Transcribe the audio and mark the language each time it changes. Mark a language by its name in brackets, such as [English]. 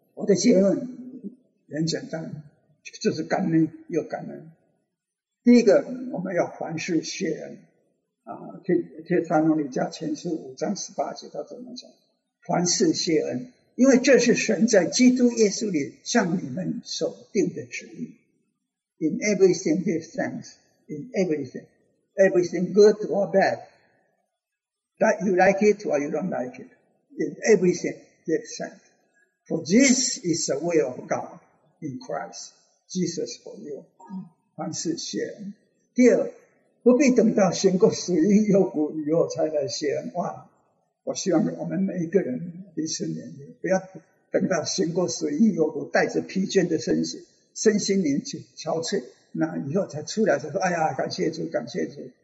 [Chinese] 我的结论很简单，就是感恩又感恩。第一个，我们要凡事谢恩啊，帖撒罗尼迦前书五章十八节他怎么讲？凡事谢恩，因为这是神在基督耶稣里向你们所定的旨意。 [English] In everything give thanks, in everything, everything good or bad, that you like it or you don't like it, in everything give thanks. For this is the will of God in Christ Jesus for you. [Chinese] 凡事谢恩。第二，不必等到经过死荫幽谷以后才来谢恩。哇，我希望我们每一个人彼此勉励，不要等到经过死荫幽谷，带着疲倦的身心灵去憔悴，那以后才出来才说：“哎呀，感谢主，感谢主。